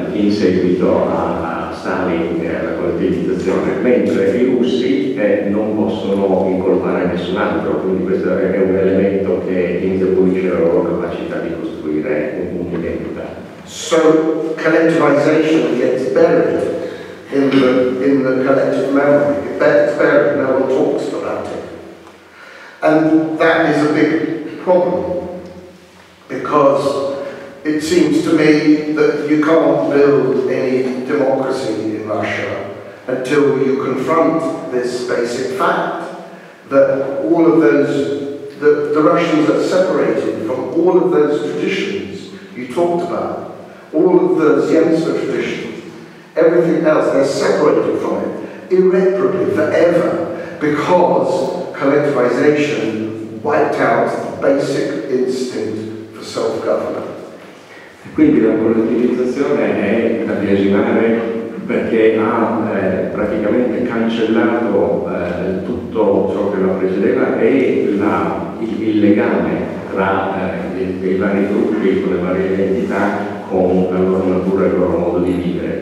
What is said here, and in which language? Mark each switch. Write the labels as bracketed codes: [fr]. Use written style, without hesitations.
[it] subito a Stalin e alla colpevolizzazione, mentre i russi non possono incolpare nessun altro, quindi questo è un elemento che indebolisce la loro capacità di costruire un'identità. [en] So collectivization gets buried in the collective memory. Buried, no one talks about it. And that is a big problem, because it seems to me that you can't build any democracy in Russia until you confront this basic fact that all of those, that the Russians are separated from all of those traditions you talked about, all of the Zemsa traditions, everything else, they're separated from it irreparably, forever, because collectivization wiped out the basic instinct for self-government. [it] Quindi la collettivizzazione è da biasimare, perché ha praticamente cancellato tutto ciò che la precedeva, e il legame tra i vari gruppi, con le varie identità, con la loro natura e il loro modo di vivere.